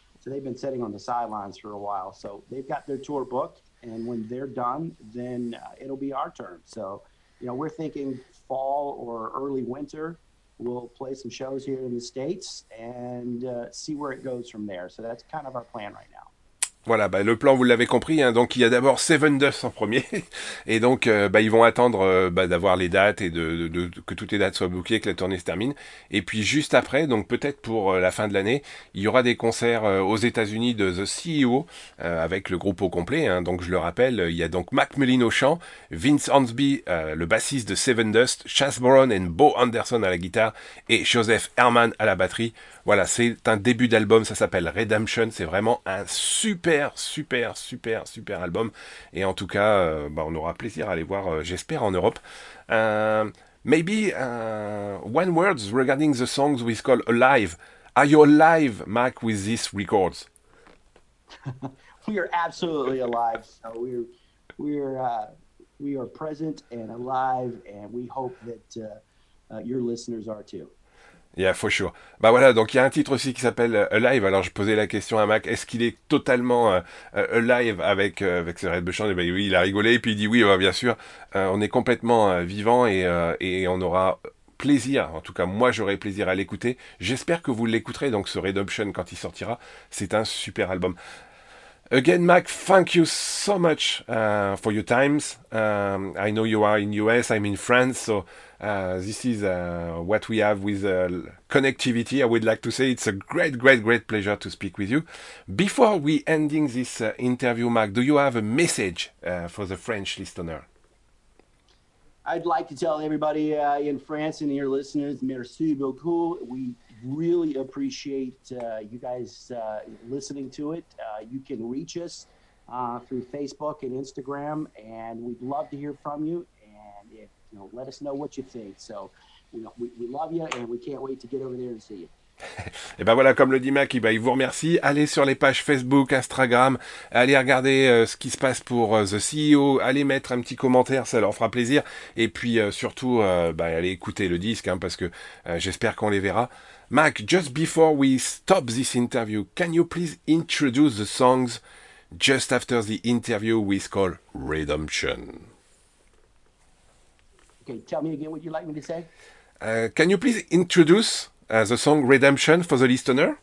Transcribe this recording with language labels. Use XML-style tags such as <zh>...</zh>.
<en>So they've been sitting on the sidelines for a while. So they've got their tour booked. And when they're done, then it'll be our turn. So, you know, we're thinking fall or early winter, we'll play some shows here in the States and see where it goes from there. So that's kind of our plan right now.</en> <fr>Voilà, bah, le plan, vous l'avez compris, hein, donc il y a d'abord Seven Dust en premier, et donc ils vont attendre d'avoir les dates et de que toutes les dates soient bookées, que la tournée se termine, et puis juste après, donc peut-être pour la fin de l'année, il y aura des concerts aux États-Unis de The CEO, avec le groupe au complet, hein, donc je le rappelle, il y a donc Mark Mullin au chant, Vince Hornsby, le bassiste de Seven Dust, Chas Brown et Bo Anderson à la guitare, et Joseph Herman à la batterie. Voilà, c'est un début d'album, ça s'appelle Redemption, c'est vraiment un super album, et en tout cas on aura plaisir à aller voir, j'espère, en Europe.</fr> <en>Maybe one words regarding the songs we call Alive. Are you alive, Mark, with these records? We are absolutely alive. So we are present and alive, and we hope that your listeners are too. Yeah, for sure.</en> <fr>Bah voilà, donc il y a un titre aussi qui s'appelle Alive. Alors je posais la question à Mac, est-ce qu'il est totalement alive avec ce Redemption? Et bah oui, il a rigolé et puis il dit oui, bah, bien sûr, on est complètement vivant et on aura plaisir. En tout cas, moi j'aurai plaisir à l'écouter. J'espère que vous l'écouterez, donc ce Redemption, quand il sortira. C'est un super album.</fr> <en>Again, Mac, thank you so much for your times. I know you are in US, I'm in France, so this is what we have with connectivity. I would like to say it's a great, great, great pleasure to speak with you. Before we ending this interview, Mac, do you have a message for the French listener? I'd like to tell everybody in France and your listeners,</en> <fr>merci beaucoup.</fr> <en>We really appreciate you guys listening to it. You can reach us through Facebook and Instagram, and we'd love to hear from you. And if, you know, let us know what you think. So, you know, we love you, and we can't wait to get over there and see you.</en> <fr>Et ben voilà, comme le dit Mac, il vous remercie. Allez sur les pages Facebook, Instagram, allez regarder ce qui se passe pour The CEO, allez mettre un petit commentaire, ça leur fera plaisir. Et puis surtout, allez écouter le disque, hein, parce que j'espère qu'on les verra.</fr> <en>Mac, just before we stop this interview, can you please introduce the songs just after the interview with called Redemption? Okay, tell me again what you'd like me to say. Can you please introduce the song Redemption for the listener?</en>